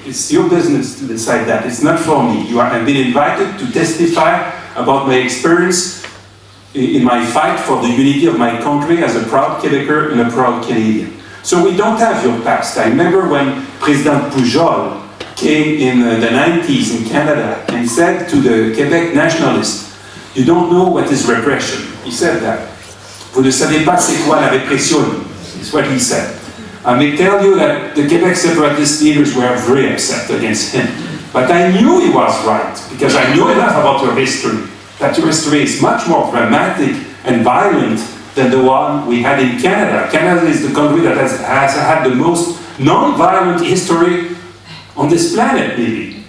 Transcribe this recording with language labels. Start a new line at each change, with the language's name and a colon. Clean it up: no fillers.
English: It's your business to decide that. It's not for me. You have been invited to testify about my experience in my fight for the unity of my country as a proud Quebecer and a proud Canadian. So we don't have your past. I remember when President Pujol came in the 90s in Canada and said to the Quebec nationalists, you don't know what is repression. He said that.
French: Vous ne savez pas c'est quoi la répression.
English: It's what he said. I may tell you that the Quebec separatist leaders were very upset against him. But I knew he was right, because I knew enough about your history, that your history is much more dramatic and violent than the one we had in Canada. Canada is the country that has had the most non-violent history on this planet, maybe.